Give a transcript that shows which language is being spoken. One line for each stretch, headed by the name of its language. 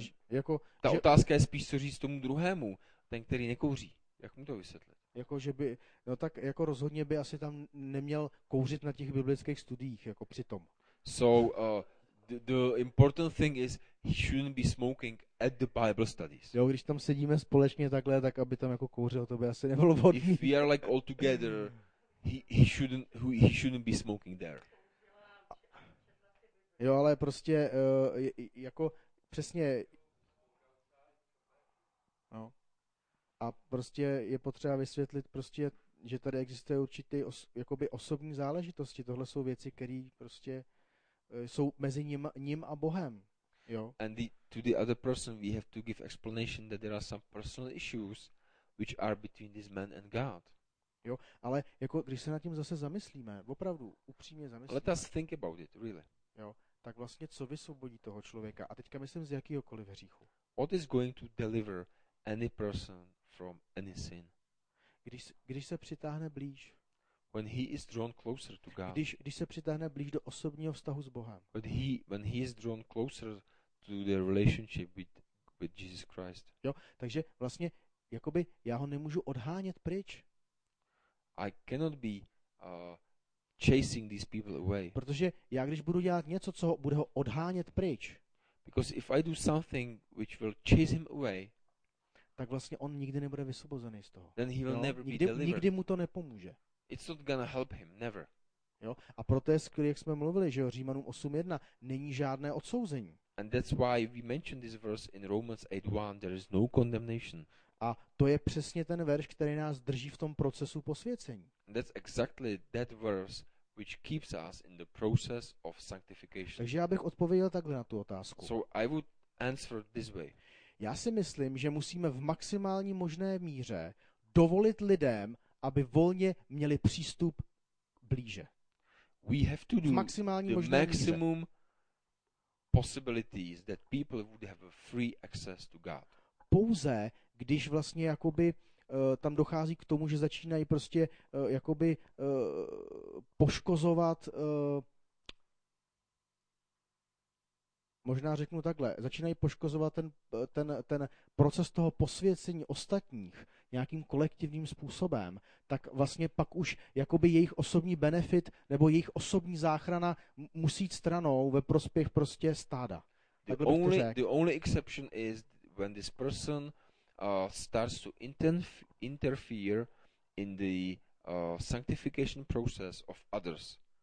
Czech: Jako, ta že, otázka je spíš, co říct tomu druhému, ten, který nekouří. Jak mu to vysvětlit? Jako, že by, no tak jako rozhodně by asi tam neměl kouřit na těch biblických studiích, jako přitom.
English: So, the important thing is, he shouldn't be smoking at the Bible studies.
Czech: Jo, když tam sedíme společně takhle, tak aby tam jako kouřil, to by asi nebylo vhodné.
English: If we are like all together, he shouldn't be smoking there.
Czech: Jo, ale prostě, jako, přesně, no, a prostě je potřeba vysvětlit prostě, že tady existuje určitý, jakoby osobní záležitosti, tohle jsou věci, které prostě jsou mezi ním a Bohem, jo.
English: And to the other person we have to give explanation that there are some personal issues which are between this man and God.
Czech: Jo, ale jako, když se nad tím zase zamyslíme, opravdu, upřímně zamyslíme.
English: Let us think about it, really.
Czech: Jo. Tak vlastně co vysvobodí toho člověka? A teďka myslím z jakýhokoliv hříchu.
English: What is going to deliver any person from any sin?
Czech: Když se přitáhne blíž.
English: When he is drawn closer to God.
Czech: Když se přitáhne blíž do osobního vztahu s Bohem.
English: When he is drawn closer to the relationship with Jesus Christ.
Czech: Jo, takže vlastně jakoby já ho nemůžu odhánět pryč.
English: I cannot be chasing these people away.
Czech: Protože já když budu dělat něco, co ho bude ho odhánět pryč.
English: Because if I do something which will chase him away,
Czech: tak vlastně on nikdy nebude vysvobozený z toho.
English: Then he will
Czech: jo?
English: never
Czech: nikdy,
English: be delivered.
Czech: Nikdy mu to nepomůže.
English: It's not gonna help him, never.
Czech: Jo? A proto je skvělé, jak jsme mluvili, že Římanům 8:1 není žádné odsouzení.
English: And that's why we mentioned this verse in Romans 8:1, there is no condemnation.
Czech: A to je přesně ten verš, který nás drží v tom procesu posvěcení.
English: That's exactly that verse which keeps us in the process of sanctification.
Czech: Takže já bych odpověděl takhle na tu otázku.
English: So I would answer this way.
Czech: Já si myslím, že musíme v maximální možné míře dovolit lidem, aby volně měli přístup blíže.
English: We have to do maximum possibilities that people would have a free access to God.
Czech: Pouze když vlastně jakoby tam dochází k tomu, že začínají prostě jakoby poškozovat, možná řeknu takhle, začínají poškozovat ten proces toho posvěcení ostatních nějakým kolektivním způsobem, tak vlastně pak už jakoby jejich osobní benefit nebo jejich osobní záchrana musí jít stranou ve prospěch prostě stáda.
English: The only exception is when this person starts to interfere in the sanctification process of others.